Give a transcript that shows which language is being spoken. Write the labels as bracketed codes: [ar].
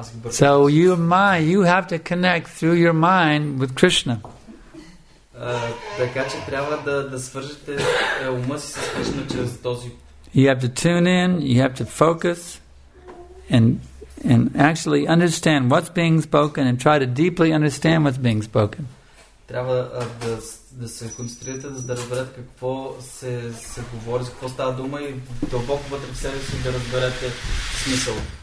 [en] So your mind, you have to connect through your mind with Krishna. [bg] Така че трябва да свържете ума си с Кришна чрез този. [en] You have to tune in, you have to focus and actually understand what's being spoken and try to deeply understand what's being spoken. [bg] Трябва да се концентрирате, за да разберете какво се говори, за какво става дума и дълбоко вътре в себе си да разберете смисъл.